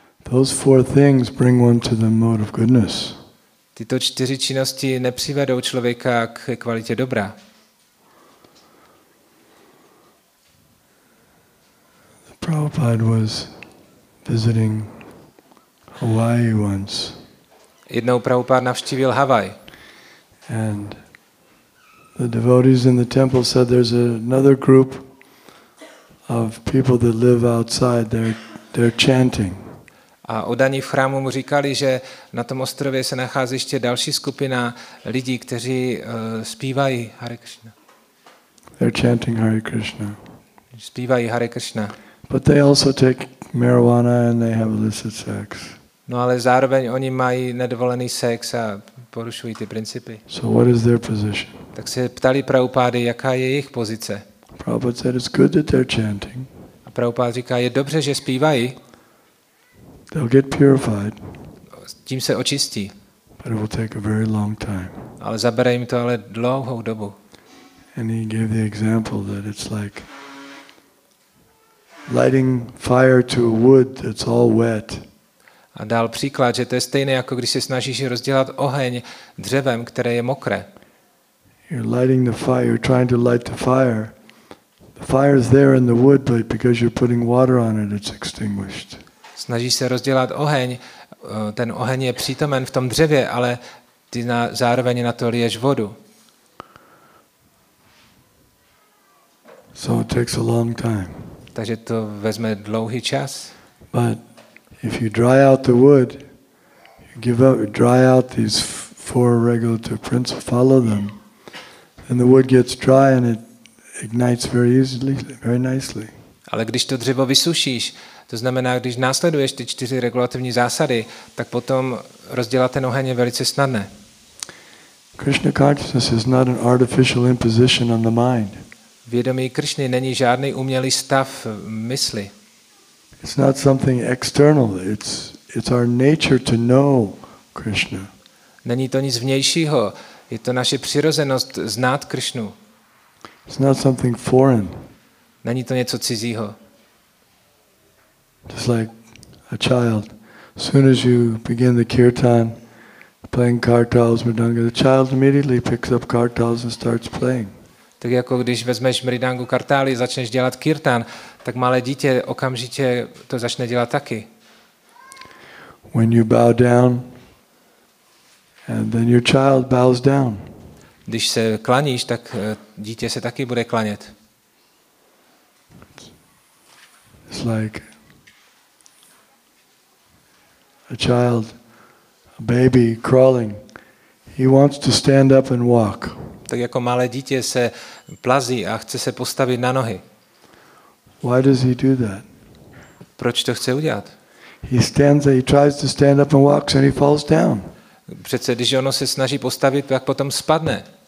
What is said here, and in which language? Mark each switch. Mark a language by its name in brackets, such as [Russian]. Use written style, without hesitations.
[English] Those four things bring one to the mode of goodness. [Czech] Tyto čtyři činnosti nepřivedou člověka k kvalitě dobra. [English] The Prabhupada was visiting Hawaii once. [Czech] Jednou Prabhupada navštívil Havaj. [English] And the devotees in the temple said there's another group of people that live outside, they're chanting. [Czech] A odaní v chrámu mu říkali, že na tom ostrově se nachází ještě další skupina lidí, kteří zpívají Hare Krishna. [English] They're chanting Hare Krishna. [Czech] Zpívají Hare Krishna. [English] But they also take marijuana and they have illicit sex. [Czech] No ale zároveň oni mají nedovolený sex a porušují ty principy. [English] So what is their position? [Czech] Tak se ptali Prabhupády, jaká je jejich pozice. [English] Prabhupada said it's good that they're chanting. [Czech] A Prabhupáda říká, je dobře, že zpívají. [English] They'll get purified. [Czech] Tím se očistí. [English] But it will take a very long time. [Czech] Ale zabere jim to ale dlouhou dobu. [English] And he gave the example that it's like lighting fire to a wood that's all wet. [Czech] A dal příklad, že to je stejné jako když se snažíš rozdělat oheň dřevem, které je mokré. [English] You're lighting the fire, you're trying to light the fire. The fire is there in the wood, but because you're putting water on it, it's extinguished. [Czech] Snažíš se rozdělat oheň, ten oheň je přítomen v tom dřevě, ale ty zároveň na to liješ vodu. [English] So it takes a long time. [Czech] Takže to vezme dlouhý čas. [English] But if you dry out the wood, you give up, dry out these four regulative principles, follow them, then the wood gets dry and it ignites very easily, very nicely. [Czech] Ale když to dřevo vysušíš, to znamená, když následuješ ty čtyři regulativní zásady, tak potom rozděláte oheň je velice snadné. [English] Krishna consciousness is not an artificial imposition on the mind. [Czech] Vědomí Krishny není žádný umělý stav mysli. [English] It's not something external. It's our nature to know Krishna. [Czech] Není to nic vnějšího, je to naše přirozenost znát Krishnu. [English] It's not something foreign. [Czech] Není to něco cizího. [English] Just like a child, as soon as you begin the kirtan, playing kartals, mridanga, the child immediately picks up kartals and starts playing. [Czech] Tak jako když vezmeš mridangu kartály, začneš dělat kirtan, tak malé dítě okamžitě to začne dělat taky. [English] When you bow down, and then your child bows down. [Czech] Když se klaníš, tak dítě se taky bude klanět. [English] It's like a child, a baby crawling. He wants to stand up and walk. [Czech] Tak jako malé dítě se plazí a chce se postavit na nohy. [English] Why does he do that? [Czech] Proč to chce udělat? [English] He stands there, he tries to stand up and walks and he falls down. [Czech] Přece když ono se snaží postavit, tak potom spadne.